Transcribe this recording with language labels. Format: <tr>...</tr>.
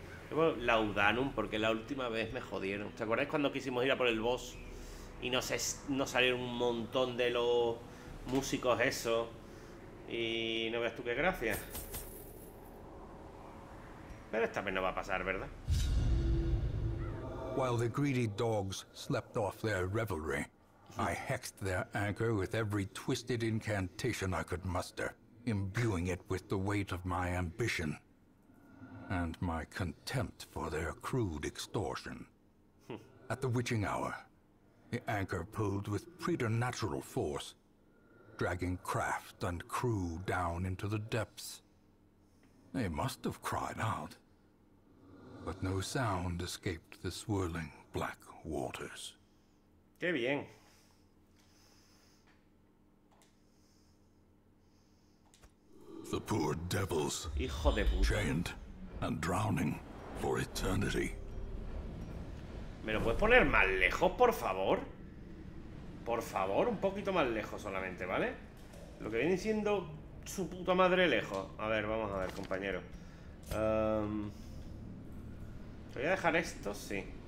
<es>Bueno, Laudanum, porque la última vez me jodieron. ¿Te acuerdas cuando quisimos ir a por el boss? Y no salieron un montón de los músicos eso. Y no veas tú qué gracia. Pero esta vez no va a pasar, ¿verdad?</es> <en>While the greedy dogs slept off their revelry, I hexed their anchor with every twisted incantation I could muster, imbuing it with the weight of my ambition and my contempt for their crude extortion. At the witching hour, the anchor pulled with preternatural force, dragging craft and crew down into the depths. They must have cried out, but no sound escaped the swirling black waters.</en> <es>Qué bien.</es> <en>The poor devils,</en> <es>hijo de puta,</es> <en>chained and drowning for eternity.</en> <es>¿Me lo puedes poner más lejos, por favor? Por favor, un poquito más lejos solamente, ¿vale? Lo que viene siendo su puta madre lejos. A ver, vamos a ver, compañero. ¿Te voy a dejar esto? Sí.</es>